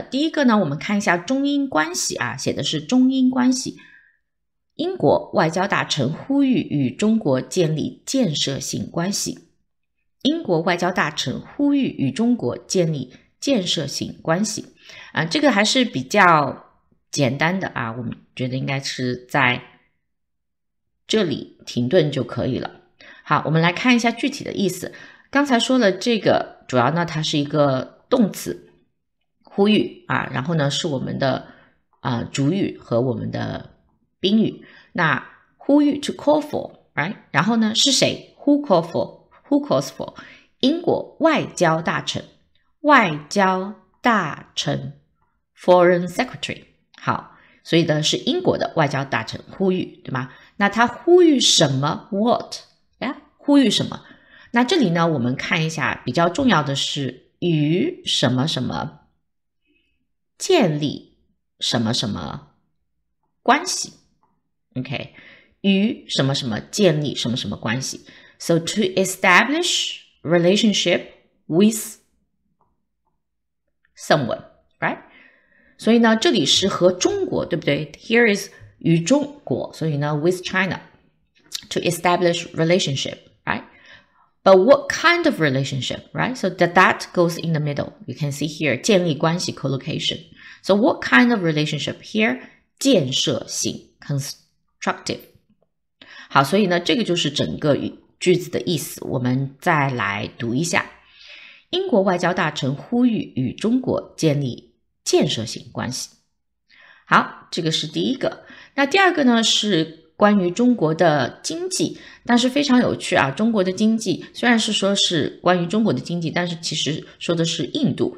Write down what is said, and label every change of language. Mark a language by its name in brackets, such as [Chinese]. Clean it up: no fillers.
[Chinese] 第一个呢我们看一下中英关系啊，写的是中英关系，英国外交大臣呼吁与中国建立建设性关系，英国外交大臣呼吁与中国建立建设性关系啊，这个还是比较简单的啊，我们觉得应该是在这里停顿就可以了。好，我们来看一下具体的意思。刚才说了这个主要呢它是一个动词呼吁啊，然后呢是我们的主语和我们的宾语。那呼吁 [English] to call for, right? [Chinese] 然后呢是谁 [English] ?who call for? Who calls for? [Chinese] 英国外交大臣。外交大臣 Foreign Secretary 好，所以呢是英国的外交大臣呼吁，对吗？那他呼吁什么 [English] What、yeah? [Chinese] 呼吁什么？那这里呢我们看一下比较重要的是与什么什么建立什么什么关系 OK 与什么什么建立什么什么关系 [English] So to establish relationship withSomeone, right? [Chinese] 所以呢这里是和中国对不对 [English] Here is [Chinese] 与中国所以呢 [English] with China to establish relationship, right? But what kind of relationship, right? So that goes in the middle. You can see here, [Chinese] 建立关系 [English] collocation. So what kind of relationship here? [Chinese] 建设性 constructive. 好所以呢这个就是整个句子的意思我们再来读一下。英国外交大臣呼吁与中国建立建设性关系。好，这个是第一个。那第二个呢，是关于中国的经济，但是非常有趣啊，中国的经济，虽然是说是关于中国的经济，但是其实说的是印度。